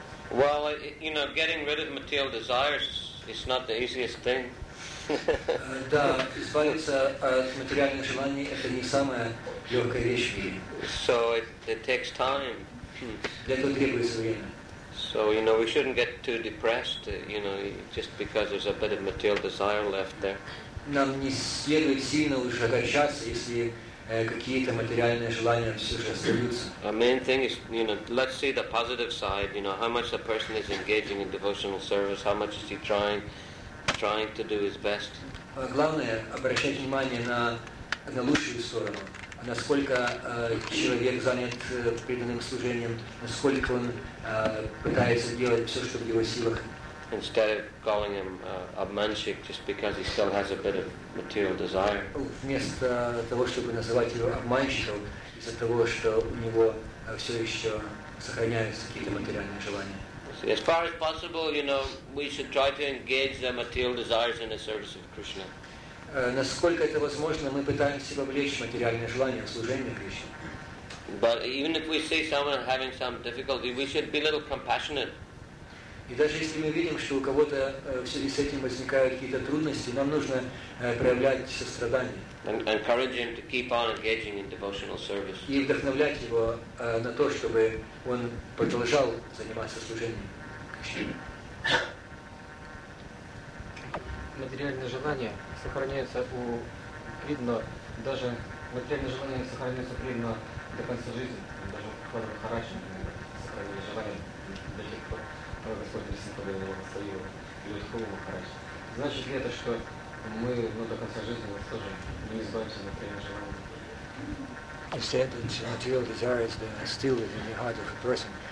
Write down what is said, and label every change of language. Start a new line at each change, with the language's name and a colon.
English: well, you know, getting rid of material desires is not the easiest thing.
Russian: Да, избавиться от материальных желаний это не самая легкая вещь в мире.
English: So it takes time.
Russian: Для этого требуется время.
English: So, you know, we shouldn't get too depressed, you know, just because there's a bit of material desire left there.
Russian: Нам не следует сильно уже огорчаться, если какие-то материальные желания все же остаются.
English: A main thing is, you know, let's see the positive side. You know, how much the person is engaging in devotional service, how much is he trying to do his best.
Russian: Главное обращать внимание на лучшую сторону. Насколько человек занят преданным служением, насколько он пытается делать все, что в его силах.
English: Instead of calling him a manchik just because he still has a bit of material desire.
Russian: Вместо того, чтобы называть его обманщиком из-за того, что у него все еще сохраняются какие-то материальные желания.
English: As far as possible, you know, we should try to engage their material desires in the service of Krishna.
Russian: Насколько это возможно, мы пытаемся вовлечь материальные желания в служение Кришне.
English: But even if we see someone having some difficulty, we should be a little compassionate.
Russian: И даже если мы видим, что у кого-то в связи с этим возникают какие-то трудности, нам нужно проявлять сострадание.
English: And encourage him to keep on engaging in devotional service.
Russian: И вдохновлять его на то, чтобы он продолжал заниматься служением. Материальные желания сохраняются у Кридна, даже материальные желания сохраняются у Кридна до конца жизни, даже у Харачи сохраняются желания до тех пор, когда Господь Рисимхадева его восстановил, или Лихову Харачи. Значит ли это, что мы до конца жизни тоже не избавимся от материальных желаний?
English: You said that material desires are still in the heart of a person.